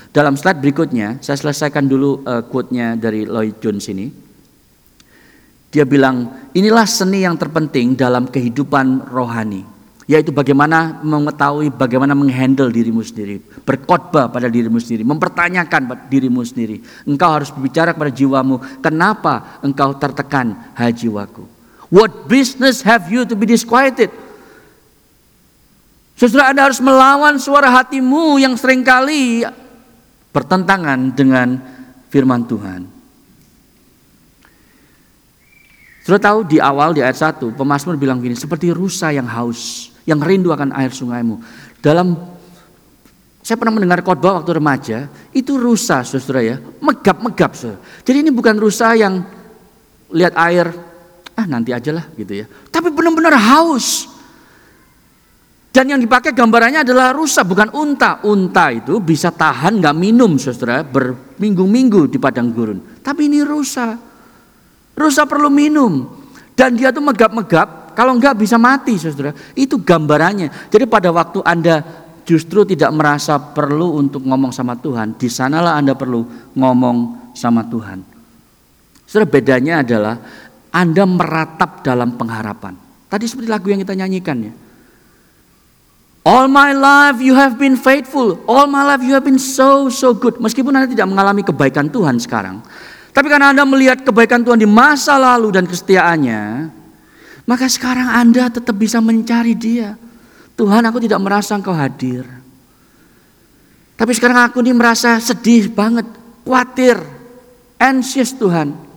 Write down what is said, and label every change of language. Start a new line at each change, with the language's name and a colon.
Indonesian: Dalam slide berikutnya, saya selesaikan dulu quote-nya dari Lloyd-Jones ini. Dia bilang, inilah seni yang terpenting dalam kehidupan rohani. yaitu bagaimana mengetahui, bagaimana menghandle dirimu sendiri, berkhotbah pada dirimu sendiri, mempertanyakan dirimu sendiri. Engkau harus berbicara kepada jiwamu, kenapa engkau tertekan, hai jiwaku?
English: What business have you to be disquieted?
Indonesian: Saudara, Anda harus melawan suara hatimu yang seringkali bertentangan dengan firman Tuhan. Sudah tahu di awal di ayat 1, pemazmur bilang gini, seperti rusa yang haus, yang rindu akan air sungaimu. Dalam, saya pernah mendengar khotbah waktu remaja, itu rusa, saudara ya, megap-megap. Saudara. Jadi ini bukan rusa yang lihat air, nanti ajalah gitu ya. Tapi benar-benar haus. Dan yang dipakai gambarannya adalah rusa, bukan unta. Unta itu bisa tahan gak minum, saudara, berminggu-minggu di padang gurun. Tapi ini rusa. Rusa perlu minum. Dan dia tuh megap-megap, kalau enggak bisa mati, saudara. Itu gambarannya. Jadi pada waktu Anda justru tidak merasa perlu untuk ngomong sama Tuhan, di sanalah Anda perlu ngomong sama Tuhan. Saudara, bedanya adalah Anda meratap dalam pengharapan. Tadi seperti lagu yang kita nyanyikan ya.
English: All my life you have been faithful. All my life you have been so, so good.
Indonesian: Meskipun Anda tidak mengalami kebaikan Tuhan sekarang, tapi karena Anda melihat kebaikan Tuhan di masa lalu dan kesetiaannya, maka sekarang Anda tetap bisa mencari Dia. Tuhan, aku tidak merasa Engkau hadir. Tapi sekarang aku ini merasa sedih banget, khawatir, anxious Tuhan.